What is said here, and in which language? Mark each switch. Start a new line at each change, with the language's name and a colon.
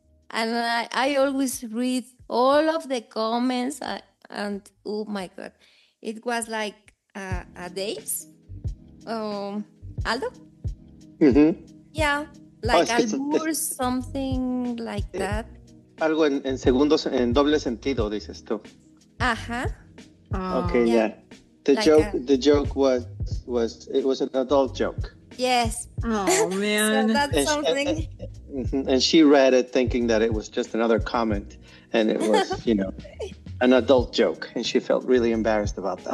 English: And I always read all of the comments. And oh my God. It was like a days. Aldo? Mm-hmm. Yeah. Like Albur, something like that.
Spanish: Algo en segundos, en doble sentido, dices tú. Ajá.
English: Okay, yeah. The joke was an adult joke. Yes. Oh, man. So that's something. And she read it thinking that it was just another comment. And it was, you know, an adult joke. And she felt really embarrassed about that.